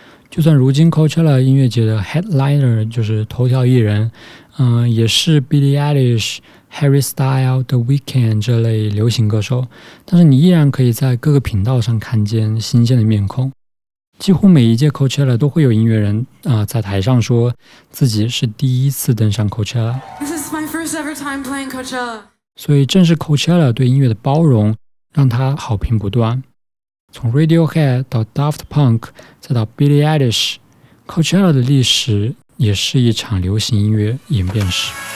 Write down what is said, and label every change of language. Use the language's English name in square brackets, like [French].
[Chinese] 就算如今 Coachella 音乐节的 Headliner 就是头条艺人也是 Billie Eilish、 Harry Styles、 The Weeknd 这类流行歌手，但是你依然可以在各个频道上看见新鲜的面孔。几乎每一届 Coachella 都会有音乐人在台上说自己是第一次登上 Coachella。 [English] This is my first ever time playing Coachella。 [Chinese] 所以正是 Coachella 对音乐的包容让他好评不断。从 Radiohead 到 Daft Punk 再到 Billie Eilish， Coachella 的历史也是一场流行音乐演变史。